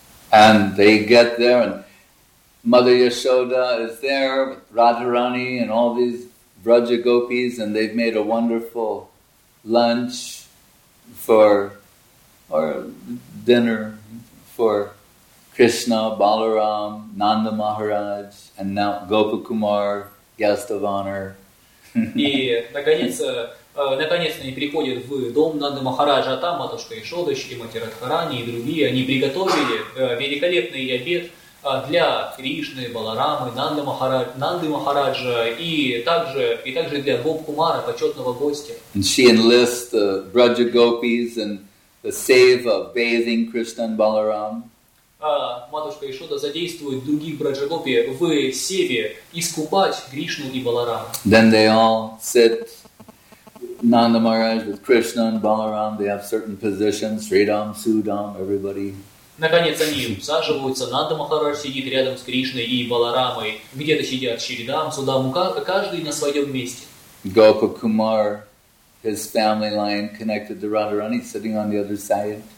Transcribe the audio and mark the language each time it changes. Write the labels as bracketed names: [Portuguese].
[English] And they get there, and Mother Yashoda is there, with Radharani and all these Vraja Gopis, and they've made a wonderful lunch for, or dinner for Krishna, Balaram, Nanda Maharaj, and now Gopakumar, guest of honor. [Russian] И наконец они приходят в дом Нанды Махараджа, а там матушка Ишода, и мать Радхарани и другие, они приготовили великолепный обед для Кришны, Баларамы, Нанды Махараджа, и также для Гопакумара, почетного гостя. [English] And she enlists the Braja Gopis and the seva bathing Krishna and Balaram. [Russian] Матушка Ишода задействует других браджагопи в севе искупать Кришну и Баларама. [English] Then they all sit, Nanda Maharaj with Krishna and Balaram, they have certain positions, Sridham, Sudham, everybody. [Russian] Наконец они усаживаются, Нанда Махарадж сидит рядом с Кришной и Баларамой, где-то сидят Шридам, Судам, каждый на своем месте. [English] Gopakumar, his family line connected to Radharani, sitting on the other side.